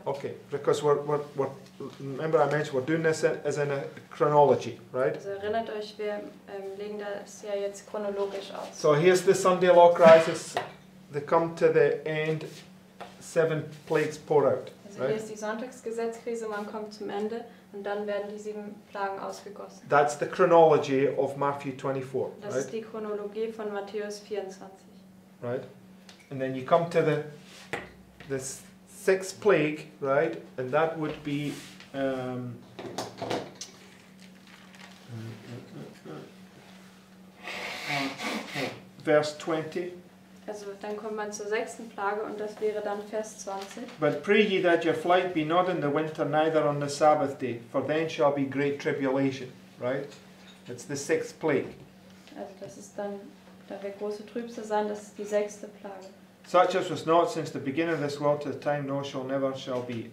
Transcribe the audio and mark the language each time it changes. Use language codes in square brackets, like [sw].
[en] Okay, because remember I mentioned we're doing this as in a chronology, right? [de] Also erinnert euch, wir legen das ja jetzt chronologisch aus. [en] So here's the Sunday law crisis. They come to the end. Seven plagues pour out. [de] Also [en] right? [de] Hier ist die Sonntagsgesetzkrise. Man kommt zum Ende. Und dann werden die sieben Plagen ausgegossen. [en] That's the chronology of Matthew 24, [de] das [en] right? [de] Ist die Chronologie von Matthäus 24. Right? And then you come to the sixth plague, right? And that would be um, [en] verse 20. [de] Also dann kommt man zur sechsten Plage und das wäre dann Vers 20. [en] But pray ye that your flight be not in the winter, neither on the Sabbath day, for then shall be great tribulation. Right? It's the sixth plague. [de] Also das ist dann, da wird große Trübsal sein, das ist die sechste Plage. [en] Such as was not since the beginning of this world to the time, nor shall never shall be.